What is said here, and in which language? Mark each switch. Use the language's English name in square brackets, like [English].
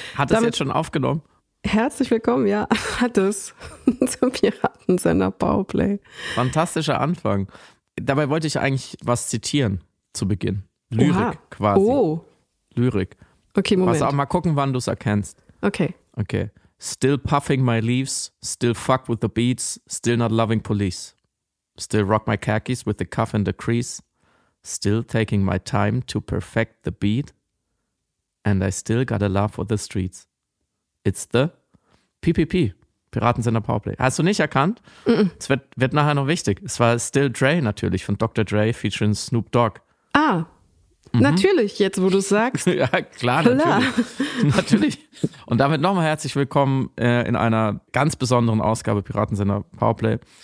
[German] Hat es jetzt schon aufgenommen? Herzlich willkommen, ja, hat es, zum Piratensender Powerplay. Fantastischer Anfang. Dabei wollte ich eigentlich was zitieren zu Beginn. Lyrik. Oha. Quasi. Oh. Lyrik. Okay, Moment. Pass auf, mal gucken, wann du es erkennst. Okay. Okay. [English] Still puffing my leaves, still fuck with the beats, still not loving police. Still rock my khakis with the cuff and the crease. Still taking my time to perfect the beat. And I still got a love for the streets. [German] It's the PPP, Piratensender Powerplay. Hast du nicht erkannt? Mm-mm. Es wird nachher noch wichtig. Es war Still Dre natürlich von Dr. Dre featuring Snoop Dogg. Ah, natürlich, jetzt wo du es sagst. Ja, klar, natürlich. Klar. Natürlich. Und damit nochmal herzlich willkommen in einer ganz besonderen Ausgabe Piratensender Powerplay.